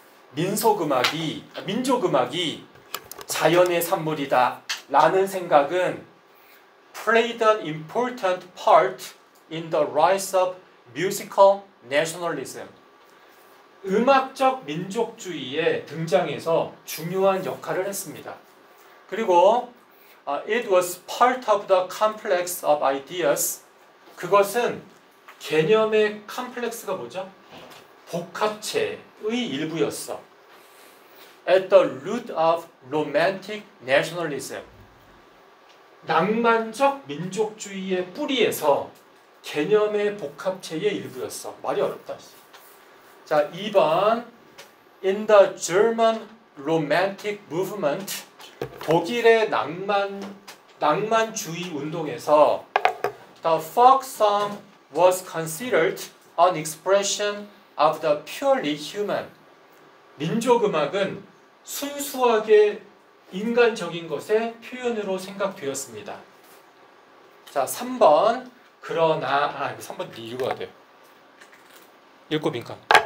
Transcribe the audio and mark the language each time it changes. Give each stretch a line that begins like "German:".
Korean: 민족 음악이 자연의 산물이다 라는 생각은
English: played an important part in the rise of musical nationalism.
Korean: 음악적 민족주의의 등장에서 중요한 역할을 했습니다. 그리고
English: it was part of the complex of ideas.
Korean: 그것은 개념의 complex가 뭐죠? 복합체의 일부였어.
English: At the root of romantic nationalism.
Korean: 낭만적 민족주의의 뿌리에서 개념의 복합체의 일부였어. 말이 어렵다. 자, 2번.
English: In the German Romantic Movement,
Korean: 독일의 낭만주의 운동에서
English: the folk song was considered an expression of the purely human.
Korean: 민족음악은 순수하게 인간적인 것의 표현으로 생각되었습니다. 자, 3번. 그러나, 3번 읽어야 돼요. 읽고 민간.